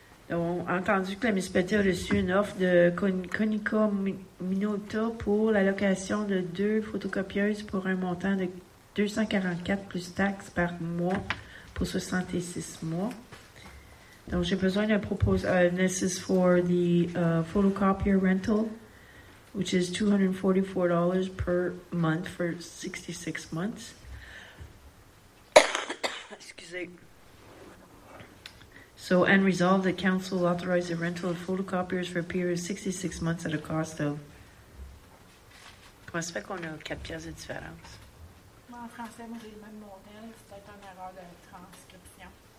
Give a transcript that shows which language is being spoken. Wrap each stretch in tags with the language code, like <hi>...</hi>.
<fr>Donc, on a entendu que la municipalité a reçu une offre de Konica Minota pour la location de deux photocopieuses pour un montant de 244 plus taxes par mois pour 66 mois. Donc, j'ai besoin d'un proposeur.</fr> <en>This is for the photocopier rental, which is $244 per month for 66 months.</en> <fr>Excusez.</fr> <en>So, and resolve that council authorize the rental of photocopiers for a period of 66 months at a cost of...</en> <fr>Comment ça fait qu'on a 4 piastres de différence? En français, moi, j'ai le même modèle. C'est peut-être une erreur de transcription.</fr>